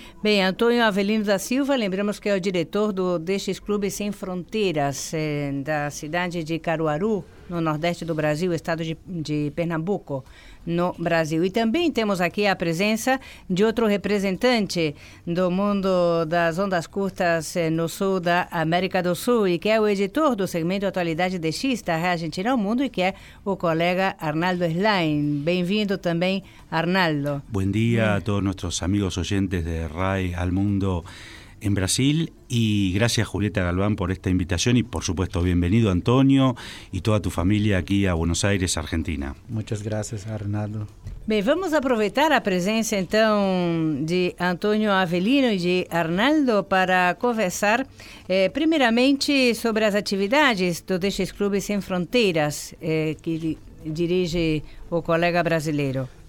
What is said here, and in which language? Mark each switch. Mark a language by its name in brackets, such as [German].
[Portuguese] Bem, Antônio Avelino da Silva, lembramos que é o diretor do Destes Clubes Sem Fronteiras, da cidade de Caruaru, no nordeste do Brasil, estado de Pernambuco, no Brasil. E também temos aqui a presença de outro representante do mundo das ondas curtas no sul da América do Sul, e que é o editor do segmento Atualidade DX da Rádio Argentina ao Mundo, e que é o colega Arnaldo Schlein. Bem-vindo também, Arnaldo. Bom dia a todos nossos amigos ouvintes de RAI ao Mundo em Brasil. [Spanish] Y gracias, Julieta Galván, por esta invitación y, por supuesto, bienvenido, Antonio, y toda tu familia aquí a Buenos Aires, Argentina. Muchas gracias, Arnaldo. [Portuguese] Bem, vamos aproveitar a presença, então, de Antônio Avelino e de Arnaldo para conversar, primeiramente, sobre as atividades do Destes Clubes Sem Fronteiras, que dirige o colega brasileiro.